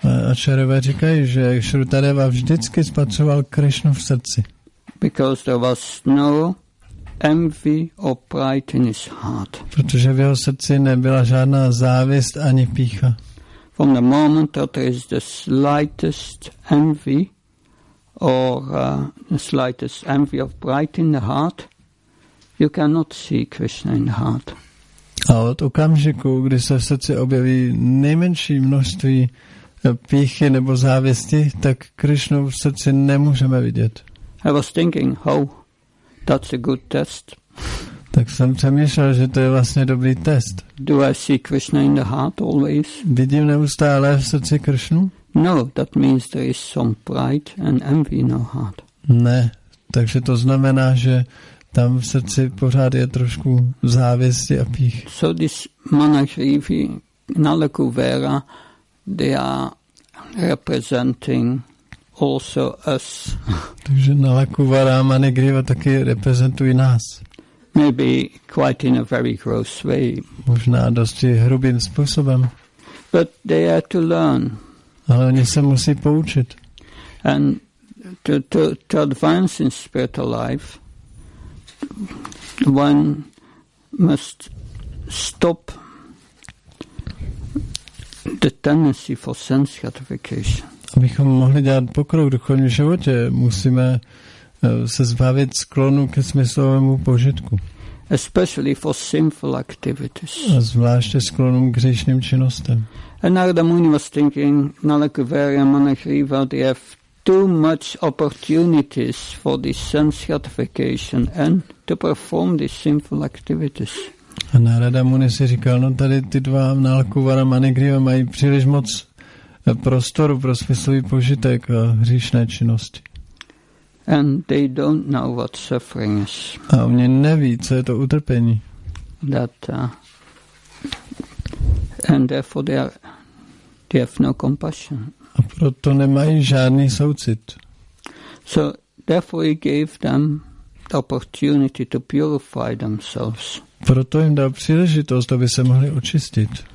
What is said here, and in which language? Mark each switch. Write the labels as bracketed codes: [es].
[cs] Acharyové říkají, že Shrutadeva vždycky spatřoval Krishnu v srdci. [en] Because there was no envy or pride in his heart. [cs] Protože v jeho srdci nebyla žádná závist ani pícha. [en] From the moment that there is the slightest envy or the slightest envy of pride in the heart, you cannot see Krishna in the heart. [cs] A od okamžiku, kdy se v srdci objeví nejmenší množství píchy nebo závisti, tak Krishnu v srdci nemůžeme vidět. [en] I was thinking, oh, that's a good test. [cs] Tak jsem přemýšlel, že to je vlastně dobrý test. [en] Do I see Krishna in the heart always? [cs] Vidím neustále v srdci Krishnu? [en] No, that means there is some pride and envy in our heart. [cs] Ne, takže to znamená, že tam v srdci pořád je trošku závisti a pích. [en] So this Manashrivi, Nalaku Vera, they are representing also us. [cs] Takže Nalakuva, Rama, Negriva taky reprezentují nás. [en] Maybe quite in a very gross way. [cs] Možná dosti hrubým způsobem. [en] But they are to learn. [cs] Ale oni se musí poučit. [en] And to advance in spiritual life, one must stop the tendency for sense gratification. [cs] Abychom mohli dělat pokrok v duchovním životě, musíme se zbavit sklonu ke smyslovému požitku. [en] Especially for sinful activities. [cs] A zvláště sklonu k hříšným činnostem. [en] And Narada Muni was thinking, Nalakuvari and Manasriva, they have too much opportunities for this sense gratification and to perform these sinful activities. [cs] A Narada Muni si říkal, no tady ty dva Nalakuvara a Manasriva mají příliš moc prostoru pro smyslový požitek a hříšné činnosti. [en] And they don't know what suffering is. [cs] A oni neví, co je to utrpení. [en] And therefore they have no compassion. [cs] A proto nemají žádný soucit. [en] So therefore he gave them the opportunity to purify themselves. [cs] Proto jim dal příležitost, aby se mohli očistit.